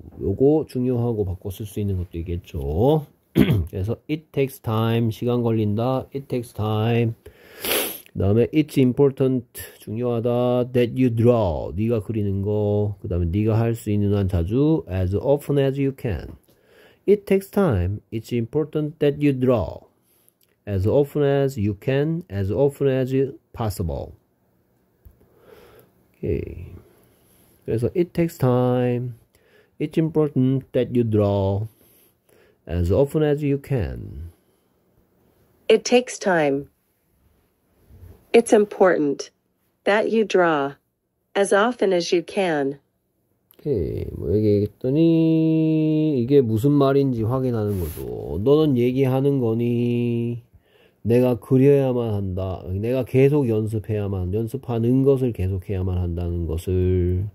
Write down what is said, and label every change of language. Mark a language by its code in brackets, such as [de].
[ko] 요거 중요하고 바꿔 쓸수 있는 것도 있겠죠. [en] 그래서 it takes time 시간 걸린다. It takes time. 그다음에 it's important 중요하다. That you draw 네가 그리는 거. [ko] 그다음에 네가 할수 있는 한 자주. [en] As often as you can. It takes time. It's important that you draw as often as you can, as often as possible. Okay. 그래서 it takes time. It's important that you draw as often as you can. It takes time. It's important that you draw as often as you can. [ko] 오케이, 뭐 얘기했더니 이게 무슨 말인지 확인하는 거죠. 너는 얘기하는 거니? 내가 그려야만 한다. 내가 계속 연습해야만, 연습하는 것을 계속해야만 한다는 것을.